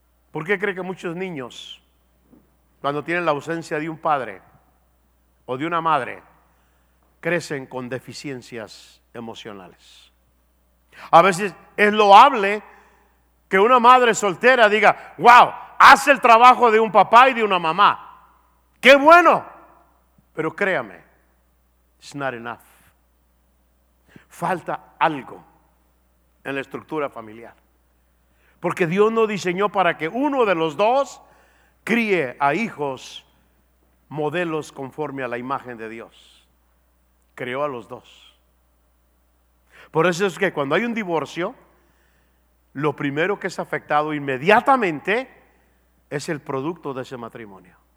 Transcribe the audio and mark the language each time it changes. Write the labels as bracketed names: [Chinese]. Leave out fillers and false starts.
[Spanish] ¿Por qué cree que muchos niños, cuando tienen la ausencia de un padre o de una madre, crecen con deficiencias emocionales? A veces es loable que una madre soltera diga, wow, hace el trabajo de un papá y de una mamá. ¡Qué bueno! Pero créame, [English] it's not enough. [Spanish] Falta algo en la estructura familiar. Porque Dios no diseñó para que uno de los dos críe a hijos modelos conforme a la imagen de Dios. Creó a los dos. Por eso es que cuando hay un divorcio, lo primero que es afectado inmediatamente es el producto de ese matrimonio.